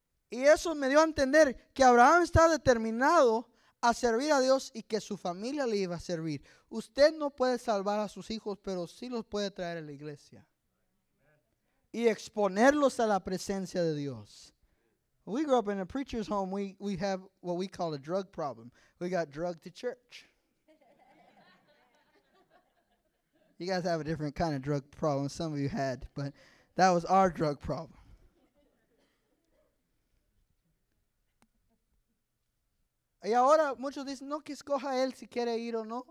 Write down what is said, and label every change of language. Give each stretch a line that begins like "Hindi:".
Spanish: Y eso me dio a entender que Abraham estaba determinado a servir a Dios y que su familia le iba a servir. Usted no puede salvar a sus hijos, pero sí los puede traer a la iglesia y exponerlos a la presencia de Dios.
English: We grew up in a preacher's home. We have what we call a drug problem. We got drugged to church. You guys have a different kind of drug problem. Some of you had, but that was our drug problem.
Spanish: Y ahora muchos dicen, no, que escoja él si quiere ir o no.